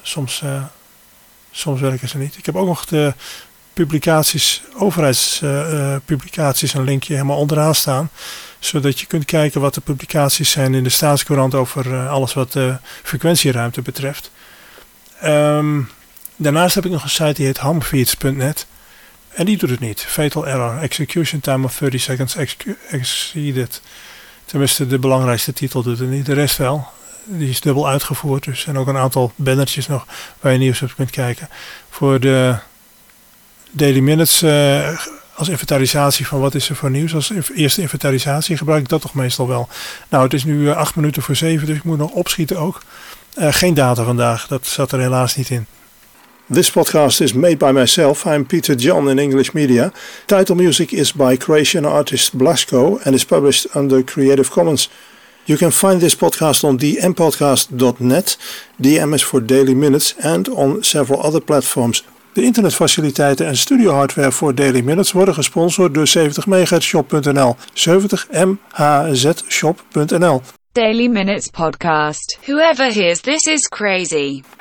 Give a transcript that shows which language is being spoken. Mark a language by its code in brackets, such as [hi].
[nl] Soms werken ze niet. Ik heb ook nog de publicaties, overheidspublicaties, een linkje helemaal onderaan staan. Zodat je kunt kijken wat de publicaties zijn in de Staatscourant over alles wat de frequentieruimte betreft. Daarnaast heb ik nog een site die heet hamfeeds.net. En die doet het niet. [en] Fatal error. Execution time of 30 seconds exceeded. [nl] Tenminste, de belangrijkste titel doet het niet. De rest wel. Die is dubbel uitgevoerd. Dus er zijn ook een aantal bannertjes nog waar je nieuws op kunt kijken. Voor de Daily Minutes als inventarisatie van wat is er voor nieuws. Als eerste inventarisatie gebruik ik dat toch meestal wel. Nou, het is nu 7:08, dus ik moet nog opschieten ook. Geen data vandaag, dat zat er helaas niet in. [en] This podcast is made by myself. I'm Peter John in English Media. Title music is by Croatian artist Blasco and is published under Creative Commons. You can find this podcast on dmpodcast.net. DM is for Daily Minutes and on several other platforms. [nl] De internetfaciliteiten en studiohardware voor Daily Minutes worden gesponsord door 70MHzShop.nl. 70MHzShop.nl. [en] Daily Minutes Podcast. Whoever hears this is crazy.